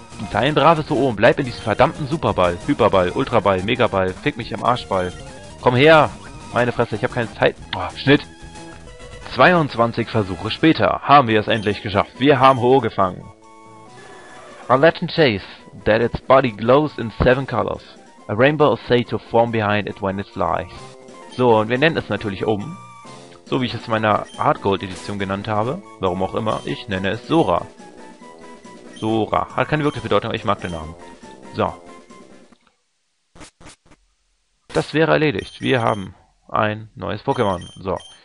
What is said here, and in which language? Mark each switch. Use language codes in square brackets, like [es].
[de] Sei ein braves Ho-Oh und bleib in diesem verdammten Superball. Hyperball, Ultraball, Megaball, fick mich im Arschball. Komm her. Meine Fresse, ich habe keine Zeit. Oh, Schnitt. 22 Versuche später haben wir es endlich geschafft. Wir haben Ho-Oh gefangen. [en] A legend chase that its body glows in 7 colors. A rainbow is said to form behind it when it flies. [de] So, und wir nennen es natürlich um. So wie ich es in meiner Hard Gold Edition genannt habe. Warum auch immer, ich nenne es Sora. Sora. Hat keine wirkliche Bedeutung, aber ich mag den Namen. So. Das wäre erledigt. Wir haben ein neues Pokémon. So.